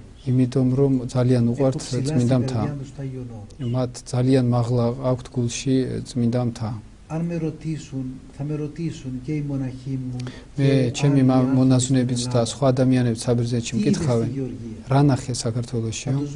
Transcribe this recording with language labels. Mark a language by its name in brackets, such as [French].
[Georgian] იმიტომ რომ ძალიან უყვართ წმინდა მთა. მათ ძალიან მაღლა აქვთ გულში წმინდა მთა. [Greek] არ მე ρωτήσουν, θα με ρωτήσουν και οι μοναχοί μου. [Georgian] მე ჩემი მონაზვნებიც და სხვა ადამიანებიც საბერძნეთში მკითხავენ. რა ნახე საქართველოსში?